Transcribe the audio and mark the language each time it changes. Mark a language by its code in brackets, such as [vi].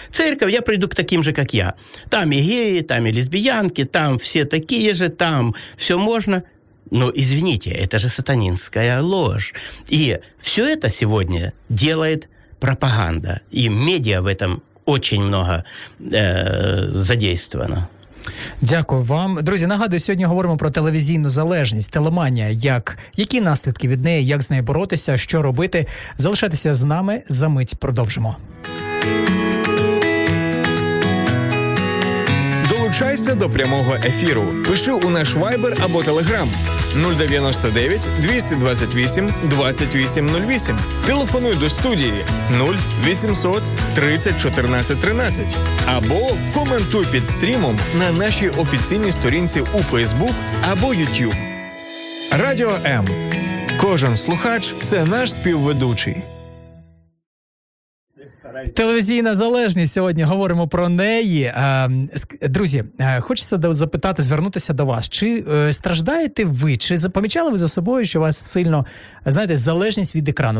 [ru] Церковь, я приду к таким же, как я. Там и геи, там и лесбиянки, там все такие же, там все можно. Но извините, это же сатанинская ложь. И все это сегодня делает пропаганда. И медиа в этом очень много задействовано. [uk] Дякую вам. Друзі, нагадую, сьогодні говоримо про телевізійну залежність, телеманія, як, які наслідки від неї, як з нею боротися, що робити. Залишайтеся з нами, за мить продовжимо. Долучайся до прямого ефіру. Пиши у наш Viber або Telegram 099-228-2808. Телефонуй до студії 0800-30-14-13. Або коментуй під стрімом на нашій офіційній сторінці у Facebook або YouTube. Радіо М. Кожен слухач – це наш співведучий. телевізійна залежність, сьогодні говоримо про неї. Друзі, хочеться запитати, звернутися до вас. Чи страждаєте ви, чи помічали ви за собою, що у вас сильно, знаєте, залежність від екрану?